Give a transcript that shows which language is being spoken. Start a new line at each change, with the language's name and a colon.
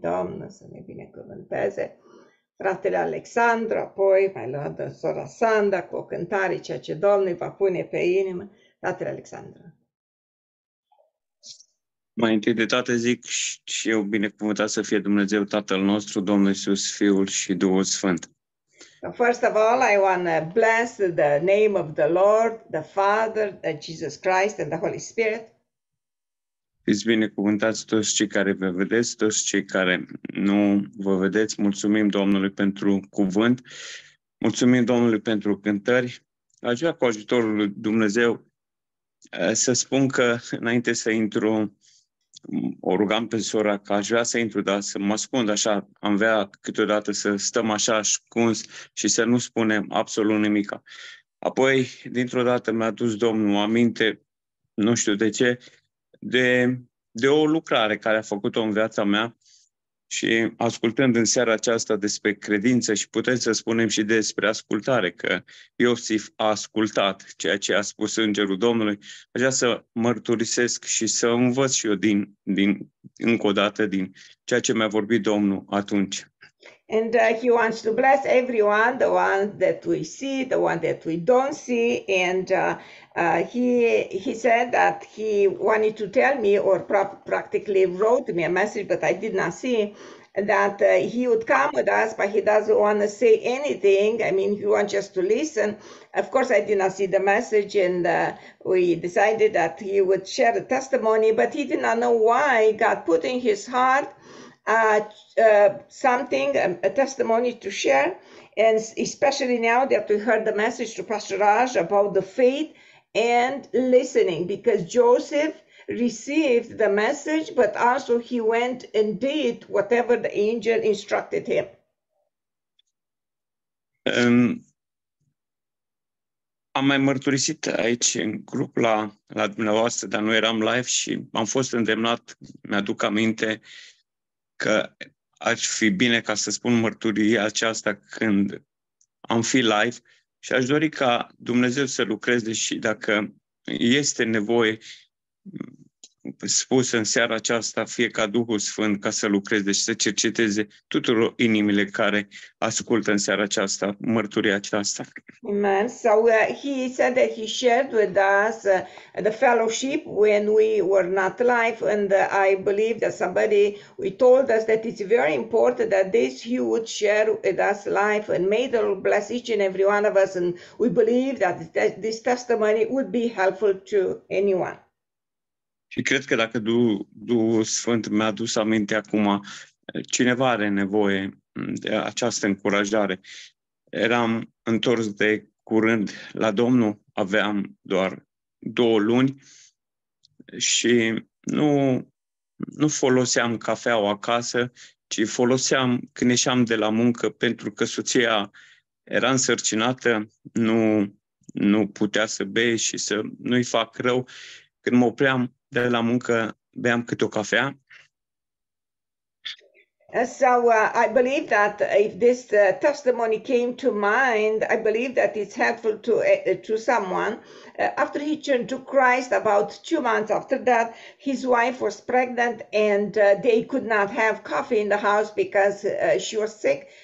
Romanian: Domnul să ne binecuvânteze. Fratele Alexandru, apoi mai luată sora Sanda cu o cântare, ceea ce Domnul va pune pe inimă. Fratele Alexandru. Mai întâi de toate zic și eu binecuvântat să fie Dumnezeu Tatăl nostru, Domnul Iisus, Fiul și Duhul Sfânt.
English: First of all, I want to bless the name of the Lord, the Father, the Jesus Christ and the Holy Spirit.
Romanian: Fiți binecuvântați toți cei care vă vedeți, toți cei care nu vă vedeți. Mulțumim Domnului pentru cuvânt. Mulțumim Domnului pentru cântări. Aș vrea cu ajutorul lui Dumnezeu să spun că înainte să intru, o rugam pe sora că aș vrea să intru, dar să mă ascund așa. Am vrea câteodată să stăm așa ascuns și să nu spunem absolut nimica. Apoi, dintr-o dată mi-a dus Domnul aminte, nu știu de ce, de o lucrare care a făcut-o în viața mea Și ascultând în seara aceasta despre credință și putem să spunem și despre ascultare, că Iosif a ascultat ceea ce a spus Îngerul Domnului, aș vrea să mărturisesc și să învăț și eu din încă o dată din ceea ce mi-a vorbit Domnul atunci.
English: And he wants to bless everyone, the one that we see, the one that we don't see. And he said that he wanted to tell me, or practically wrote me a message, but I did not see, that he would come with us, but he doesn't want to say anything. I mean, he wants just to listen. Of course, I did not see the message, and we decided that he would share a testimony, but he did not know why God put in his heart a testimony to share, and especially now that we heard the message to Pastor Raj about the faith and listening, because Joseph received the message, but also he went and did whatever the angel instructed him.
Romanian: Am mai mărturisit aici în grup la dumneavoastră, dar nu eram live și am fost îndemnat, mi-aduc aminte, că ar fi bine ca să spun mărturia aceasta când am fi live și aș dori ca Dumnezeu să lucreze și dacă este nevoie spus în seara aceasta, fie ca Duhul Sfânt ca să lucreze și să cerceteze tuturor inimile care ascultă în seara aceasta mărturia aceasta. Amen.
English: So he said that he shared with us the fellowship when we were not live, and I believe that somebody we told us that it's very important that this he would share with us live, and may the Lord bless each and every one of us, and we believe that this testimony would be helpful to anyone.
Romanian: Și cred că dacă Duhul Sfânt mi-a dus aminte acum, cineva are nevoie de această încurajare. Eram întors de curând la Domnul, aveam doar 2 luni și nu foloseam cafeaua acasă, ci foloseam când ieșeam de la muncă, pentru că soția era însărcinată, nu putea să bea și să nu-i fac rău. Când mă opream de la muncă, beam câte o cafea.
English: So I believe that if this testimony came to mind, I believe that it's helpful to someone. After he turned to Christ, about 2 months after that, his wife was pregnant, and they could not have coffee in the house because she was sick.